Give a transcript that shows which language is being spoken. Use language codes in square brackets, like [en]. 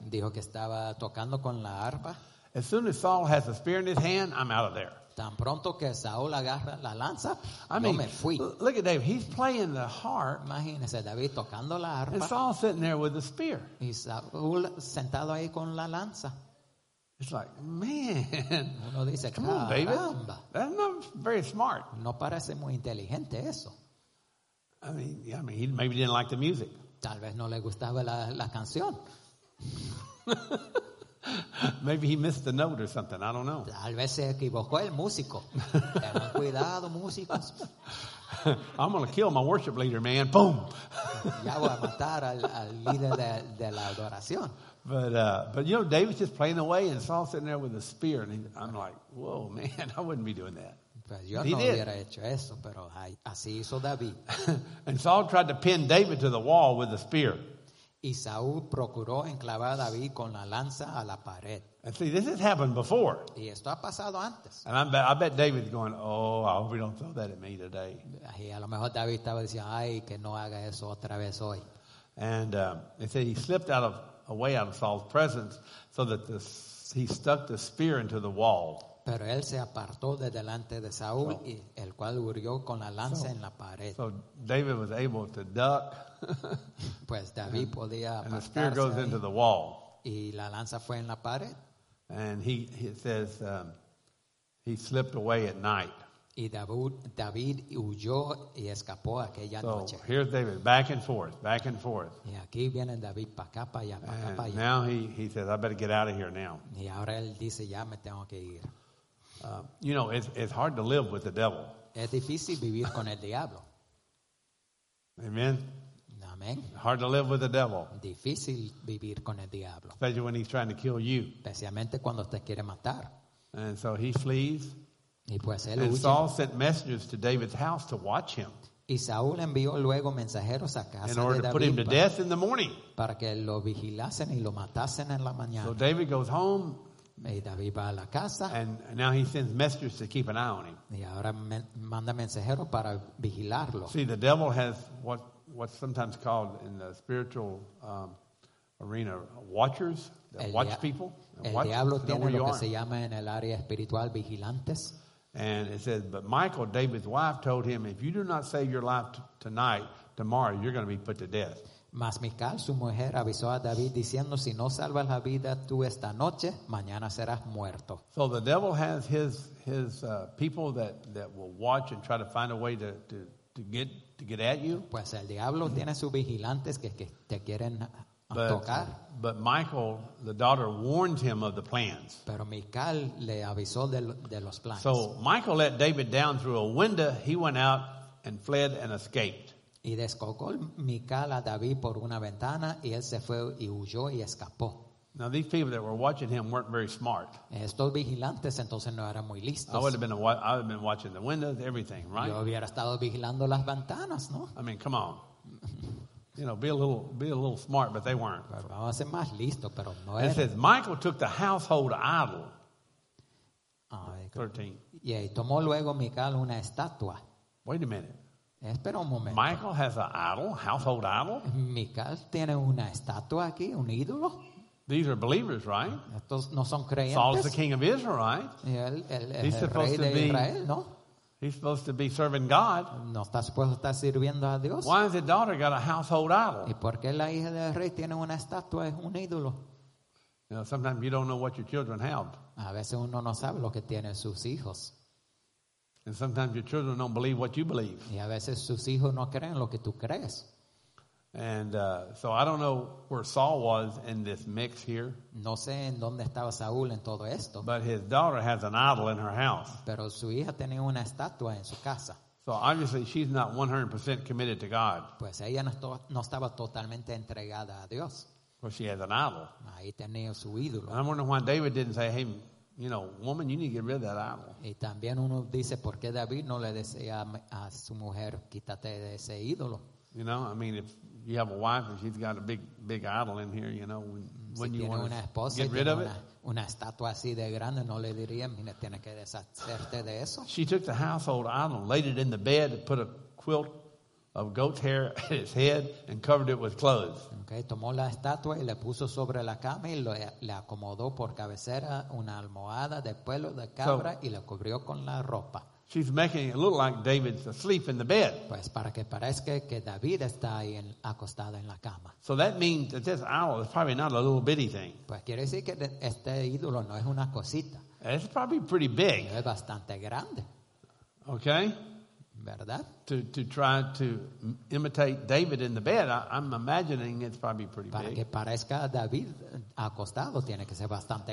[es] Dijo que estaba tocando con la arpa. [en] As soon as Saul has a spear in his hand, I'm out of there. [es] Tan pronto que Saúl agarra la lanza, [en] I mean, [es] yo me fui. [en] Look at David, he's playing the harp. [es] Imagínese David tocando la arpa. [en] And Saul sitting there with the spear. [es] Y Saúl sentado ahí con la lanza. [en] It's like, man. [es] Uno dice, [en] come on, baby. That's not very smart. [es] No parece muy inteligente eso. [en] I mean, he maybe didn't like the music. [es] Tal vez no le gustaba la canción. [en] Maybe he missed the note or something. I don't know. [es] Tal vez se equivocó el músico. Tengan cuidado, músicos. [en] I'm going to kill my worship leader, man. Boom. [es] Ya voy a matar al líder de la adoración. [en] But you know, David's just playing away, and Saul's sitting there with a spear, and I'm like, whoa, man, I wouldn't be doing that. Pues yo he no did. [es] Hubiera hecho eso, pero así hizo David. [en] And Saul tried to pin David to the wall with a spear. [es] Y Saúl procuró enclavar a David con la lanza a la pared. [en] And see, this has happened before. [es] Y esto ha pasado antes. [en] And I bet David's going, oh, I hope he don't throw that at me today. [es] Y a lo mejor David estaba diciendo, ay, que no haga eso otra vez hoy. [en] And they said he slipped away out of Saul's presence so that he stuck the spear into the wall. [es] Pero él se apartó de delante de Saúl, y el cual hurió con la lanza en la pared. [en] So David was able to duck. [es] Pues David podía apartarse. [en] And the spear goes into the wall. [es] Y la lanza fue en la pared. [en] And he says he slipped away at night. [es] Y David huyó y escapó aquella noche. [en] So here's David, back and forth. [es] Y aquí viene David, pa' acá, pa' allá, pa' acá, pa' allá. [en] Now he says, I better get out of here now. [es] Y ahora él dice, ya me tengo que ir. [en] You know, it's hard to live with the devil. [es] Es difícil vivir con el diablo. [en] Amen. [es] Amen. [en] Hard to live with the devil. [es] Difícil vivir con el diablo. [en] Especially when he's trying to kill you. [es] Especialmente cuando te quiere matar. [en] And so he flees. [es] Y pues él [en] and [es] huye. [en] Saul sent messengers to David's house to watch him. [es] Y Saúl envió luego mensajeros a casa [en] in order [es] de David [en] to put him to death in the morning. [es] Para que lo vigilasen y lo matasen en la mañana. [en] So David goes home. [es] Y David va a la casa. [en] And now he sends messengers to keep an eye on him. [es] Y ahora manda mensajeros para vigilarlo. [en] See, the devil has what's sometimes called in the spiritual arena, watchers, watch people. [es] El diablo tiene lo que se llama en el área espiritual vigilantes. [en] And it says, but Michael, David's wife, told him, if you do not save your life tonight, tomorrow, you're going to be put to death. [es] Mas Mical, su mujer, avisó a David diciendo, si no salvas la vida tú esta noche, mañana serás muerto. [en] So the devil has his people that will watch and try to find a way to get at you. [es] Pues el diablo tiene sus vigilantes que te quieren tocar. [en] But Michael, the daughter, warned him of the plans. [es] Pero Mical le avisó de los planes. [en] So Michael let David down through a window. He went out and fled and escaped. [es] Y descolgó Mical a David por una ventana y él se fue y huyó y escapó. [en] Now these people that were watching him weren't very smart. [es] Estos vigilantes entonces no eran muy listos. [en] I would have been watching the windows, everything, right? [es] Yo hubiera estado vigilando las ventanas, ¿no? [en] I mean, come on. You know, be a little smart, but they weren't. [es] Pero vamos a ser más listos, pero no eran. [en] It says, Michael took the household idol. 13. [es] Yeah, y tomó luego Mical una estatua. [en] Wait a minute. [es] Espera un momento. [en] Michael has an idol, household idol. [es] Mical tiene una estatua aquí, un ídolo. [en] These are believers, right? [es] Estos no son creyentes. [en] Saul is the king of Israel, right? He's supposed to be Israel, ¿no? He's supposed to be serving God. [es] No está supuesto estar sirviendo a Dios. [en] Why has the daughter got a household idol? [es] ¿Y por qué la hija del rey tiene una estatua, un ídolo? [en] You know, sometimes you don't know what your children have. [es] A veces uno no sabe lo que tienen sus hijos. [en] And sometimes your children don't believe what you believe. [es] Y a veces sus hijos no creen lo que tú crees. [en] And so I don't know where Saul was in this mix here. [es] No sé en dónde estaba Saúl en todo esto. [en] But his daughter has an idol in her house. [es] Pero su hija tenía una estatua en su casa. [en] So obviously she's not 100% committed to God. [es] Pues ella no estaba totalmente entregada a Dios. [en] Well, she has an idol. [es] Ahí tenía su ídolo. [en] And I'm wondering why David didn't say, hey, you know, woman, you need to get rid of that idol. [es] Y también uno dice, ¿por qué David no le decía a su mujer, quítate de ese ídolo? [en] You know, I mean, if you have a wife and she's got a big idol in here, you know, wouldn't you want to get rid of it? [es] Una estatua así de grande, no le diría, mira, tiene que deshacerte de eso. [en] She took the household idol, laid it in the bed, put a quilt of goat's hair at its head and covered it with clothes. [es] Okay, tomó la estatua y le puso sobre la cama y le acomodó por cabecera una almohada de pelo de cabra y le cubrió con la ropa. [en] She's making it look like David's asleep in the bed. [es] Pues para que parezca que David está ahí en, acostado en la cama. [en] So that means that this owl is probably not a little bitty thing. [es] Pues quiere decir que este ídolo no es una cosita. [en] It's probably pretty big. [es] Es bastante grande. [en] Okay. [es] ¿Verdad? [en] To try to imitate David in the bed, I'm imagining it's probably pretty [es] para [en] big. [es] Para que parezca David acostado tiene que ser bastante